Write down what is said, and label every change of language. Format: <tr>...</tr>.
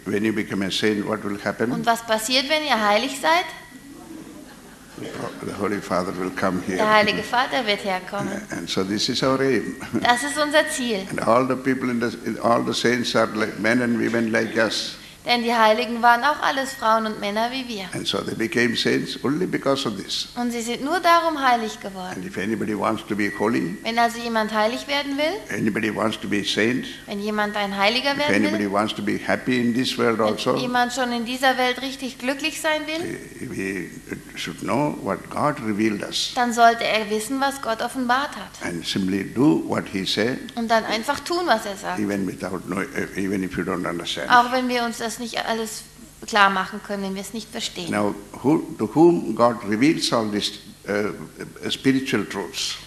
<en>When you become a saint, what will happen?</en> <de>Und was passiert, wenn ihr heilig seid?</de> <en>The Holy Father will come here.</en> <de>Der Heilige Vater wird herkommen.</de> <en>And so this is our aim.</en> <de>Das ist unser Ziel.</de> <en>And all the people all the saints are like men and women like us.</en> <de>Denn die Heiligen waren auch alles Frauen und Männer wie wir.</de> <en>And so they became saints only because of this.</en> <de>Und sie sind nur darum heilig geworden.</de> <en>And if anybody wants to be holy,</en> <de>wenn also jemand heilig werden will,</de> <en>anybody wants to be saint,</en> <de>wenn jemand ein Heiliger</de> <en>if</en> <de>werden</de> <en>anybody</en> <de>will,</de> <en>wants to be happy in this world</en> <de>wenn also, jemand schon in dieser Welt richtig glücklich sein will,</de> <en>we should know what God revealed us.</en> <de>Dann sollte er wissen, was Gott offenbart hat.</de> <en>And simply do what he said,</en> <de>und dann einfach tun, was er sagt.</de> <en>Even if you don't understand.</en> <de>Auch wenn wir uns das nicht alles klar machen können, wenn wir es nicht verstehen.</de> <en>Now, who, to whom God reveals all these spiritual truths?</en>